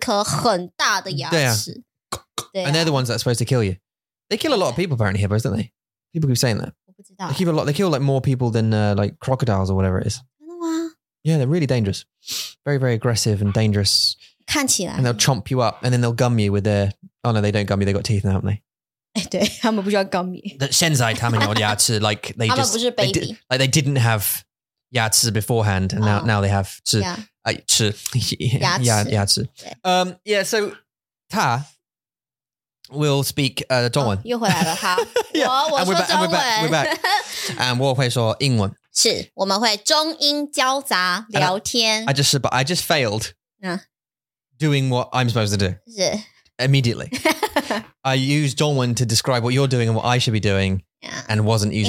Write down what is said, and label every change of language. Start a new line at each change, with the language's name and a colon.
Chinese: 你眼睛还好啊，他要偷偷。哦，那个卡通他们在画那个河马的时候，都会画四颗很大的牙齿。对啊。
English: And they're the ones that are supposed to kill you. They kill a lot of people apparently here, don't they? People keep saying that.
Chinese: 我不知道。
English: They kill a lot. They kill like more people than like crocodiles or whatever it is.
Chinese: 真的吗？
English: Yeah, they're really dangerous. Very, very aggressive and dangerous.
Chinese: 看起来。
English: And they'll chomp you up, and then they'll gum you with their. Oh no, they don't gum you. They got teeth now, haven't they?
Chinese: 对,他们不需要gummy。现在他们有牙齿,
English: like they just...
Chinese: 他们不是baby.
English: They did, like they didn't have 牙齿 beforehand, and now they have 吃... Yeah.
Chinese: 吃... 牙齿。
English: Yeah, so 他 will speak 中文。
Chinese: 又回来了,好。我会说中文。是, 我们会中英交杂聊天。
English: I just failed doing what I'm supposed to do.
Chinese: 是。
English: Immediately. I used 中文 to describe what you're doing and what I should be doing and wasn't using